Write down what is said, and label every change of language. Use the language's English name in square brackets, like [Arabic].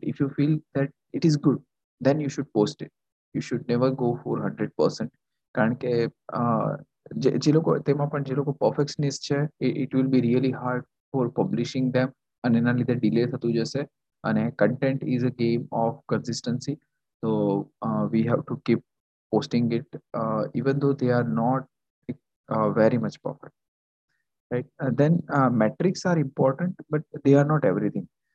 [English] If you feel that it is good, then you should post it. You should never go for 100%. [Gujarati] કારણ કે જે લોકો તેમાં પણ જે લોકો પરફેક્શનિસ્ટ છે, [English] it will be really hard for publishing them, [Gujarati] અને એના લીધે ડિલે થતું જશે. [English] અને content is a game of consistency, તો we have to keep posting it even though they are not very much perfect. Right, then metrics are important, but they are not everything.